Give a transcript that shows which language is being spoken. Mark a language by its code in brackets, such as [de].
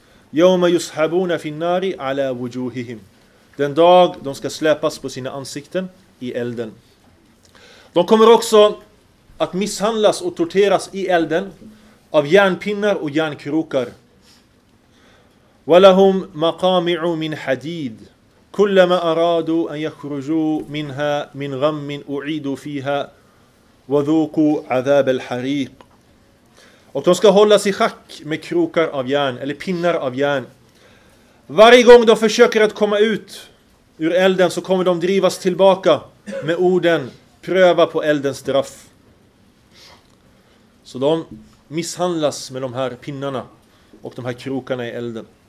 [sv] Yawma yushabuna finnari ala wujuhihim. Den dag de ska släpas på sina ansikten i elden. De kommer också att misshandlas och torteras i elden av järnpinnar och järnkrokar. Wa lahum maqami'u min hadid. [ar] كلما أرادوا أن يخرجوا منها من غم أعيدوا فيها وذوقوا عذاب الحريق. [sv] Och de ska hållas i schack med krokar av järn, eller pinnar av järn. Varje gång de försöker att komma ut ur elden så kommer de drivas tillbaka med orden: pröva på eldens straff. Så de misshandlas med de här pinnarna och de här krokarna i elden.